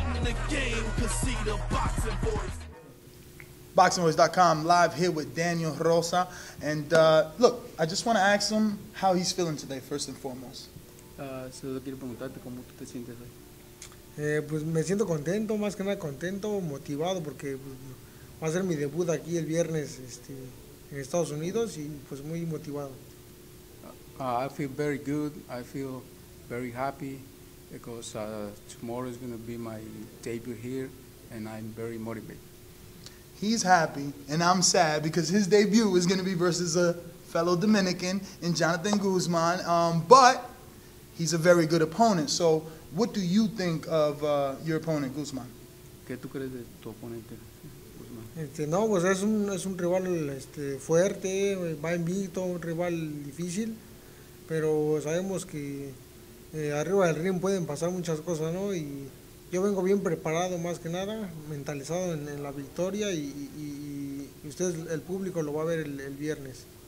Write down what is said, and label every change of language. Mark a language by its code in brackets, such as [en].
[en] the game could see the boxing boys. BoxingVoice.com live here with Daniel Rosa. And look, I just want to ask him how he's feeling today, first and foremost. [es] Solo quiero preguntarte cómo tú te sientes hoy. Pues me siento contento, más que nada contento, motivado, porque pues, va a ser mi debut aquí el viernes en Estados Unidos y pues muy motivado. [en] I feel very good. I feel very happy because tomorrow is going to be my debut here and I'm very motivated. He's happy, and I'm sad because his debut is going to be versus a fellow Dominican in Jonathan Guzman, but he's a very good opponent. So what do you think of your opponent, Guzman? [es] ¿Qué tú crees de tu oponente, Guzman? No, pues es un rival fuerte, va invicto, un rival difícil, pero sabemos que arriba del ring pueden pasar muchas cosas, ¿no? Y yo vengo bien preparado, más que nada, mentalizado en la victoria, y ustedes, el público, lo va a ver el viernes.